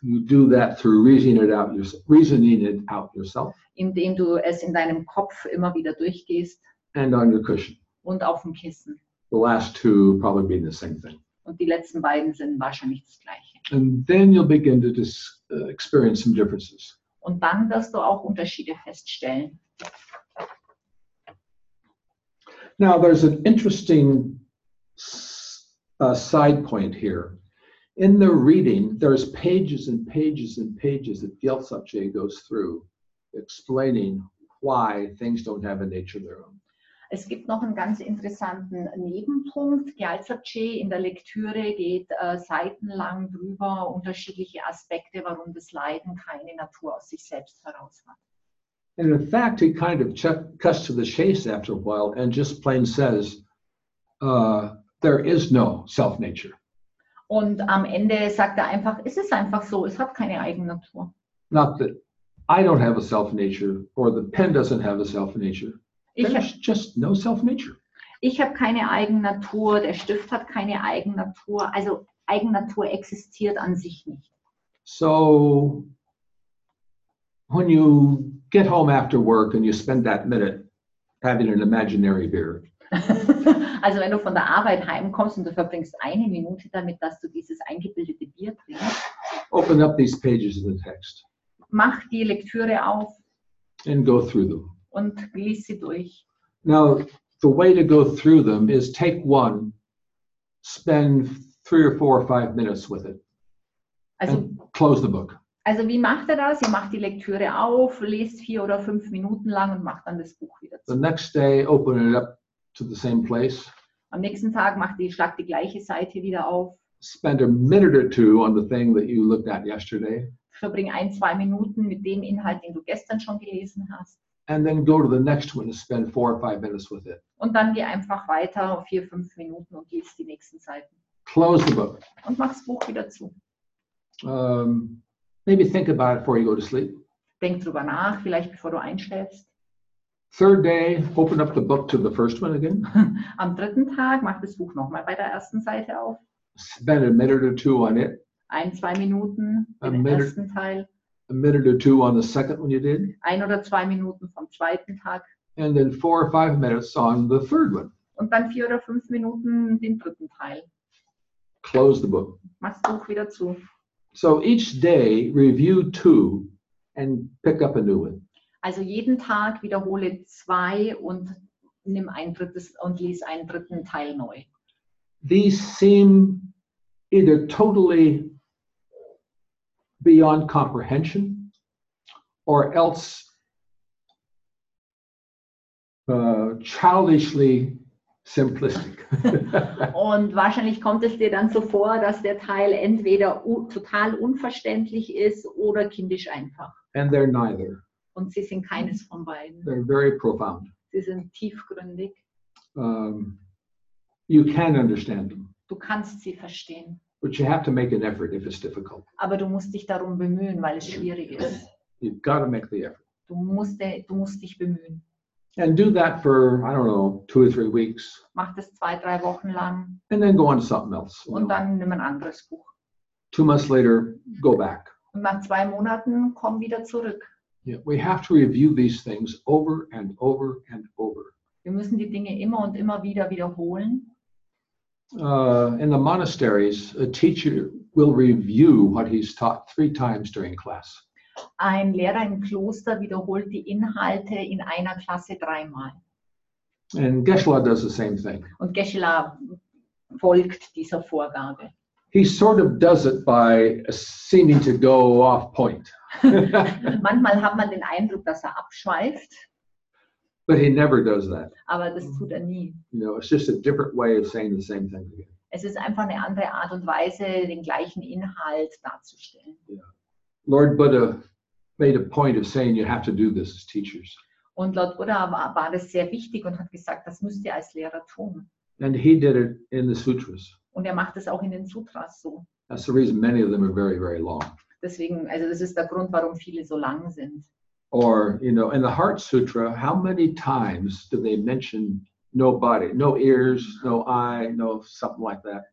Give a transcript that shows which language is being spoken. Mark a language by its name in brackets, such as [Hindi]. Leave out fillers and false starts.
[English] You do that through reasoning it out yourself. [German] Indem du es in deinem Kopf immer wieder durchgehst. [English] And on your cushion. [German] Und auf dem Kissen. [English] The last two probably being the same thing. [German] Und die letzten beiden sind wahrscheinlich das Gleiche. [English] And then you'll begin to experience some differences. [German] Und dann wirst du auch Unterschiede feststellen. [English] Now, there's an interesting side point here. In the reading, there's pages and pages and pages that Gyaltsapche goes through explaining why things don't have a nature of their own. [German] Es gibt noch einen ganz interessanten Nebenpunkt. Gyaltsapche in der Lektüre geht seitenlang drüber unterschiedliche Aspekte, warum das Leiden keine Natur aus sich selbst heraus hat. [English] And in fact, he kind of cuts to the chase after a while and just plain says, there is no self-nature. [German] Und am Ende sagt einfach, es ist einfach so, es hat keine Eigennatur. [English] Not that I don't have a self-nature or the pen doesn't have a self-nature. There's just no self-nature. [German] Ich habe keine Eigennatur, der Stift hat keine Eigennatur, also Eigennatur existiert an sich nicht. [English] So, when you get home after work and you spend that minute having an imaginary beer. [German] Also wenn du von der Arbeit heimkommst und du verbringst eine Minute damit, dass du dieses eingebildete Bier trinkst. [English] Open up these pages in the text. [German] Mach die Lektüre auf. [English] And go through them. [German] Und lies sie durch. [English] Now, the way to go through them is take one, spend 3 or 4 or 5 minutes with it. Also, and close the book. [German] Also wie macht er das? Er macht die Lektüre auf, liest 4 oder 5 Minuten lang und macht dann das Buch wieder zu. [English] The next day, open it up to the same place. [German] Am nächsten Tag schlagt die gleiche Seite wieder auf. [English] Spend a minute or two on the thing that you looked at yesterday. [German] Verbring 1-2 Minuten mit dem Inhalt, den du gestern schon gelesen hast. [English] And then go to the next one and spend 4 or 5 minutes with it. [German] Und dann geh einfach weiter, 4-5 Minuten und liest die nächsten Seiten. [English] Close the book. [German] Und mach das Buch wieder zu. [English] Maybe think about it before you go to sleep. [German] Denk drüber nach, vielleicht bevor du einschläfst. [English] Third day, open up the book to the first one again. [German] Am dritten Tag, mach das Buch nochmal bei der ersten Seite auf. [English] Spend a minute or two on it. [German] 1-2 Minuten im ersten Teil. [English] a minute or two on the second one you did. [German] Ein oder zwei Minuten vom zweiten Tag. [English] And then 4 or 5 minutes on the third one. [German] Und dann 4 oder 5 Minuten den dritten Teil. [English] Close the book. [German] Mach's Buch wieder zu. [English] So each day review 2 and pick up a new one. [German] Also jeden Tag wiederhole 2 und nimm ein drittes und lies einen dritten Teil neu. [English] These seem either totally beyond comprehension or else childishly simplistic. [German] Und wahrscheinlich kommt es dir dann so vor, dass der Teil entweder total unverständlich ist oder kindisch einfach. [English] And they're neither. [German] Und sie sind keines von beiden. [English] They're very profound. [German] Sie sind tiefgründig. [English] You can understand them. [German] Du kannst sie verstehen. [English] But you have to make an effort if it's difficult. [German] Aber du musst dich darum bemühen, weil es schwierig ist. [English] You've got to make the effort. [German] Du musst dich bemühen. [English] And do that for, I don't know, 2 or 3 weeks. [German] Mach das 2, 3 Wochen lang. [English] And then go on to something else. [German] Und dann nimm ein anderes Buch. [English] 2 months later, go back. [German] Und nach 2 Monaten, komm wieder zurück. [English] Yeah, we have to review these things over and over and over. [German] Wir müssen die Dinge immer und immer wieder wiederholen. [English] In the monasteries, a teacher will review what he's taught 3 times during class. [German] Ein Lehrer im Kloster wiederholt die Inhalte in einer Klasse 3 Mal. [English] And Geshe-la does the same thing. [German] Und Geshe-la folgt dieser Vorgabe. [English] He sort of does it by seeming to go off point. [German] Manchmal hat man den Eindruck, dass er abschweift. [English] But he never does that. [German] Aber das tut er nie. [English] You know, it's just a different way of saying the same thing again. [German] Es ist einfach eine andere Art und Weise, den gleichen Inhalt darzustellen. [English] Yeah. Lord Buddha made a point of saying you have to do this as teachers. [German] Und Lord Buddha war das sehr wichtig und hat gesagt, das müsst ihr als Lehrer tun. [English] And he did it in the sutras. [German] Und er macht es auch in den Sutras so. [English] That's the reason many of them are very, very long. [German] Deswegen, also das ist der Grund, warum viele so lang sind. [English] Or, you know, in the Heart Sutra, how many times do they mention no body, no ears, no eye, no something like that?